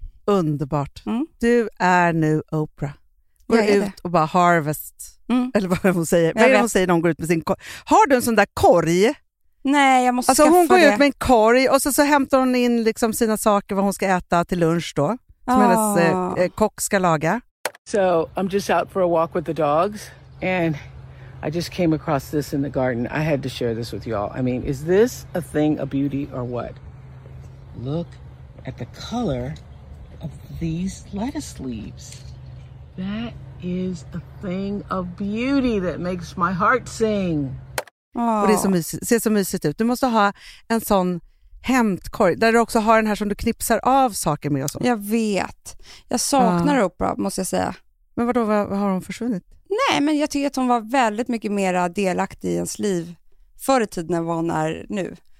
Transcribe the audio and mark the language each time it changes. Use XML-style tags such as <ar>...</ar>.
<sv>Underbart. Mm. Du är nu Oprah. Går jag ut och bara harvest. Mm. Eller vad hon säger. Vad hon säger när hon går ut med sin korg. Har du en sån där korg? Nej, jag måste alltså, hon går det. Ut med en korg och så hämtar hon in liksom sina saker vad hon ska äta till lunch då. Som hennes kock ska laga.</sv> <en>So I'm just out for a walk with the dogs and I just came across this in the garden. I had to share this with y'all. I mean, is this a thing of beauty or what? Look at the color of these lettuce leaves. That is a thing of beauty that makes my heart sing.</en> <sv>Och det ser så mysigt ut. Du måste ha en sån hämtkorg, där du också har den här som du knipsar av saker med och så. Jag vet. Jag saknar Oprah, måste jag säga. Men vadå, vad har hon försvunnit? Nej, men jag tycker att hon var väldigt mycket mer delaktig i ens liv förr i tiden än vad hon är nu.</sv>